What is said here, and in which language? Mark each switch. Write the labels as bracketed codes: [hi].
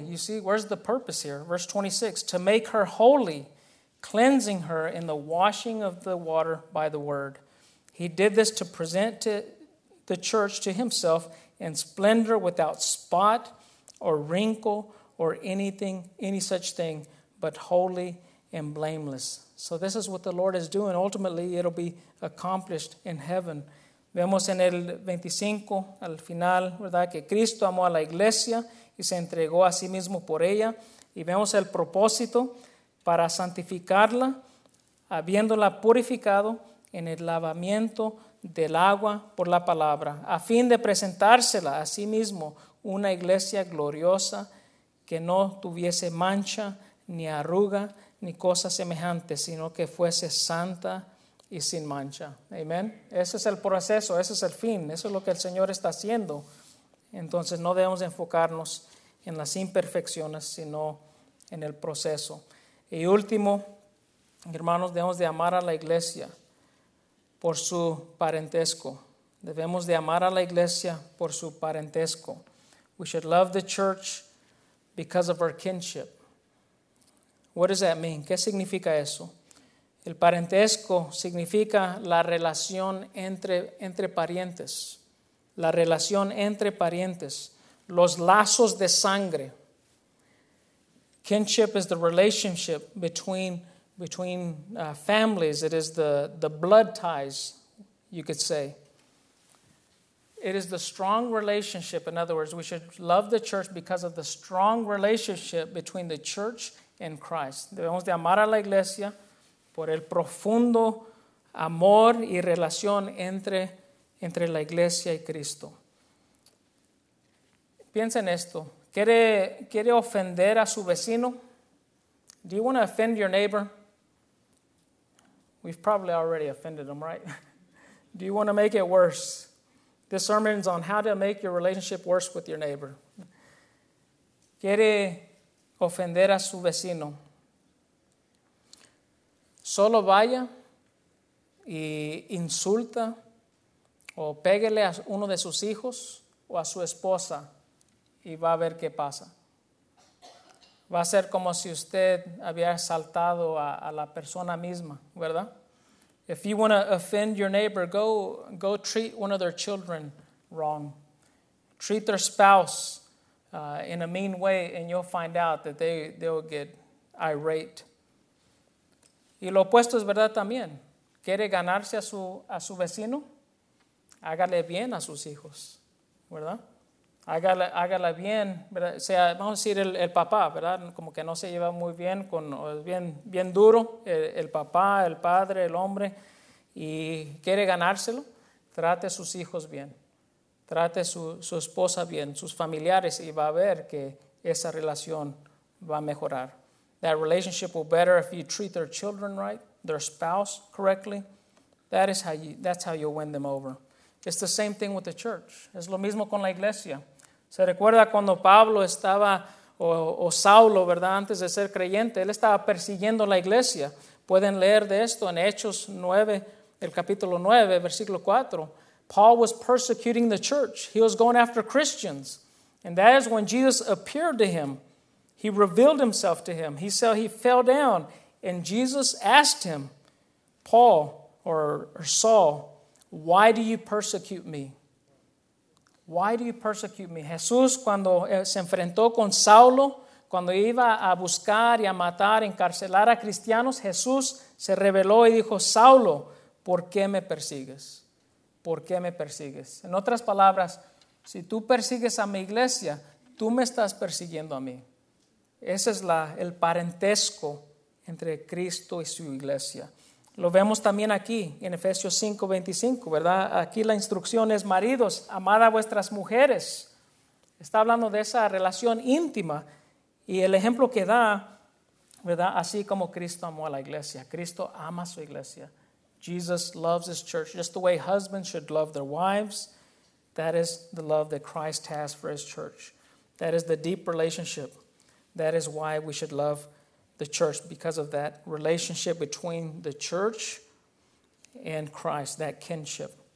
[en] You see, where's the purpose here? Verse 26, "to make her holy, cleansing her in the washing of the water by the word. He did this to present to the church to himself in splendor, without spot or wrinkle or anything, any such thing, but holy and blameless." So this is what the Lord is doing. Ultimately, it'll be accomplished in heaven. [es] Vemos en el 25, al final, ¿verdad?, que Cristo amó a la iglesia y se entregó a sí mismo por ella. Y vemos el propósito para santificarla, habiéndola purificado en el lavamiento del agua por la palabra, a fin de presentársela a sí mismo una iglesia gloriosa que no tuviese mancha, ni arruga, ni cosa semejante, sino que fuese santa y sin mancha. Amén. Ese es el proceso, ese es el fin, eso es lo que el Señor está haciendo. Entonces no debemos enfocarnos en las imperfecciones, sino en el proceso. Y último, hermanos, debemos de amar a la iglesia por su parentesco. Debemos de amar a la iglesia por su parentesco. [en] We should love the church because of our kinship. What does that mean? [es] ¿Qué significa eso? El parentesco significa la relación entre parientes. La relación entre parientes. Los lazos de sangre. [en] Kinship is the relationship between families. It is the blood ties, you could say. It is the strong relationship. In other words, we should love the church because of the strong relationship between the church and Christ. [es] Debemos de amar a la iglesia por el profundo amor y relación entre la iglesia y Cristo. Piensa en esto. ¿Quiere ofender a su vecino? [en] Do you want to offend your neighbor? We've probably already offended him, right? Do you want to make it worse? This sermon's on how to make your relationship worse with your neighbor. [es] ¿Quiere ofender a su vecino? Solo vaya y insulta o pégale a uno de sus hijos o a su esposa y va a ver qué pasa. Va a ser como si usted había asaltado a la persona misma, ¿verdad? [en] If you want to offend your neighbor, go treat one of their children wrong. Treat their spouse in a mean way and you'll find out that they will get irate. [es] Y lo opuesto es verdad también. ¿Quiere ganarse a su vecino? Hágale bien a sus hijos, ¿verdad? Hágala bien, ¿verdad? O sea, vamos a decir el papá, ¿verdad? Como que no se lleva muy bien, es bien, bien duro el papá, el padre, el hombre, y quiere ganárselo, trate a sus hijos bien, trate a su esposa bien, sus familiares, y va a ver que esa relación va a mejorar. [en] That relationship will better if you treat their children right, their spouse correctly. That's how you'll win them over. It's the same thing with the church. [es] Es lo mismo con la iglesia. Se recuerda cuando Pablo estaba, o Saulo, ¿verdad? Antes de ser creyente, él estaba persiguiendo la iglesia. Pueden leer de esto en Hechos 9, el capítulo 9, versículo 4. [en] Paul was persecuting the church. He was going after Christians. And that is when Jesus appeared to him. He revealed himself to him. He fell down. And Jesus asked him, Paul, or Saul, why do you persecute me? Why do you persecute me? [es] Jesús, cuando se enfrentó con Saulo, cuando iba a buscar y a matar, encarcelar a cristianos, Jesús se reveló y dijo, Saulo, ¿por qué me persigues? ¿Por qué me persigues? En otras palabras, si tú persigues a mi iglesia, tú me estás persiguiendo a mí. Ese es el parentesco entre Cristo y su iglesia. Lo vemos también aquí en Efesios 5:25, ¿verdad? Aquí la instrucción es, maridos, amad a vuestras mujeres. Está hablando de esa relación íntima y el ejemplo que da, ¿verdad? Así como Cristo amó a la iglesia. Cristo ama a su iglesia. [en] Jesus loves his church. Just the way husbands should love their wives, that is the love that Christ has for his church. That is the deep relationship. That is why we should love the church, because of that relationship between the church and Christ, that kinship.